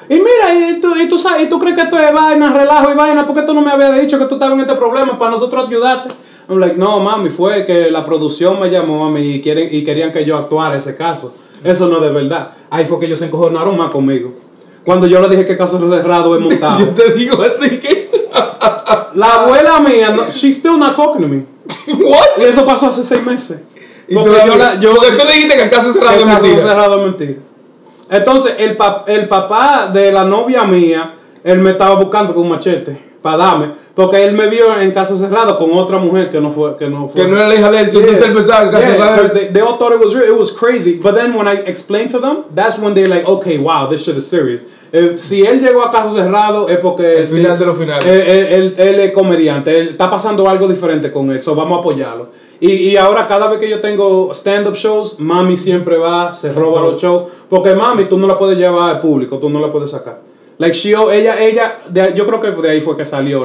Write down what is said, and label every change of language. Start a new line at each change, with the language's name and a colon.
Spanish: Y mira, y tú crees que esto es vaina, relajo y vaina, porque tú no me habías dicho que tú estabas en este problema para nosotros ayudarte.
English: I'm like,
Spanish: no, mami, fue que la producción me llamó a mí y querían que yo actuara ese caso. Eso no es de verdad. Ahí fue que ellos se encojonaron más conmigo. Cuando yo le dije que el caso cerrado es montado. Yo te digo, Enrique. La abuela mía, no,
English: she's still not talking to me. What?
Spanish: Y eso pasó hace 6 meses. Porque tú le dijiste que el caso cerrado es mentira. El caso cerrado es mentira. Entonces, el papá de la novia mía, él me estaba buscando con un machete. Para darme, porque él me vio en Casa Cerrado con otra mujer que no fue. Que no era la hija de él, sino que se empezaba en Casa Cerrado.
English: They all thought it was real, it was crazy. But then when I explained to them, that's when they're like, okay, wow, this shit is serious.
Spanish: Si él llegó a Casa Cerrado, es porque. El final de los finales. Él es comediante, él está pasando algo diferente con él, so vamos a apoyarlo. Y ahora, cada vez que yo tengo stand-up shows, mami siempre va, se roba los shows. Porque mami, tú no la puedes llevar al público, tú no la puedes sacar. Like, ella, de, yo creo que de ahí fue que salió.